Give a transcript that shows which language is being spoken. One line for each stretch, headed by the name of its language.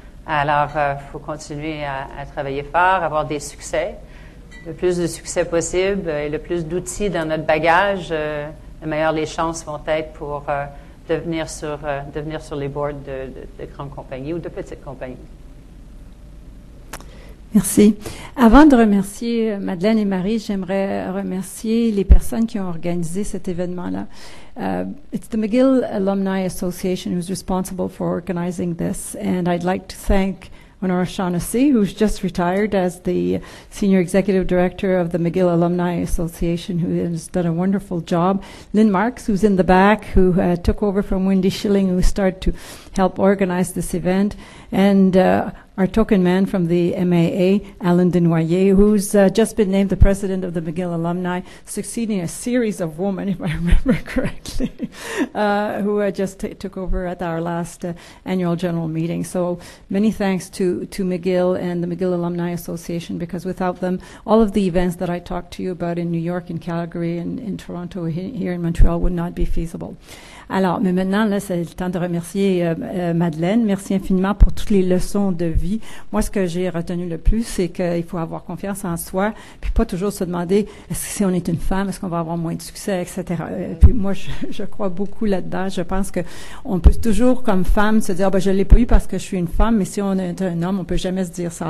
French: Alors, faut continuer à travailler fort, avoir des succès, le plus de succès possible et le plus d'outils dans notre bagage, les meilleures les chances vont être pour devenir sur les boards de grandes compagnies ou de petites compagnies. Merci. Avant de remercier Madeleine et Marie, j'aimerais remercier les personnes qui ont organisé cet événement-là.
English: It's the McGill Alumni Association who's responsible for organizing this, and I'd like to thank Honora Shaughnessy, who's just retired as the Senior Executive Director of the McGill Alumni Association, who has done a wonderful job. Lynn Marks, who's in the back, who took over from Wendy Schilling, who started to help organize this event. And our token man from the MAA, Alan Denoyer, who's just been named the president of the McGill Alumni, succeeding a series of women, if I remember correctly, who just took over at our last annual general meeting. So many thanks to McGill and the McGill Alumni Association, because without them, all of the events that I talked to you about in New York, in Calgary, and in Toronto, here in Montreal, would not be feasible.
French: Alors, mais maintenant, là, c'est le temps de remercier Madeleine. Merci infiniment pour toutes les leçons de vie. Moi, ce que j'ai retenu le plus, c'est qu'il faut avoir confiance en soi, puis pas toujours se demander est-ce que si on est une femme, est-ce qu'on va avoir moins de succès, etc. Puis moi, je crois beaucoup là-dedans. Je pense que on peut toujours, comme femme, se dire, oh, ben, je l'ai pas eu parce que je suis une femme, mais si on est un homme, on peut jamais se dire ça.